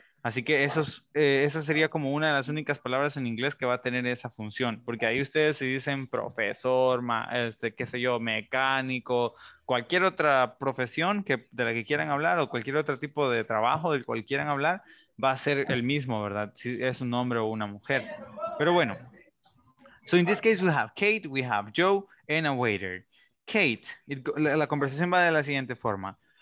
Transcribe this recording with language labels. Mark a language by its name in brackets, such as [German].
[Spanish] Así que esa sería como una de las únicas palabras en inglés que va a tener esa función, porque ahí ustedes se dicen profesor, qué sé yo, mecánico, cualquier otra profesión de la que quieran hablar o cualquier otro tipo de trabajo del cual quieran hablar, va a ser el mismo, ¿verdad? Si es un hombre o una mujer. Pero bueno. [English] So in this case we have Kate, we have Joe, and a waiter. [Spanish] Kate, la conversación va de la siguiente forma.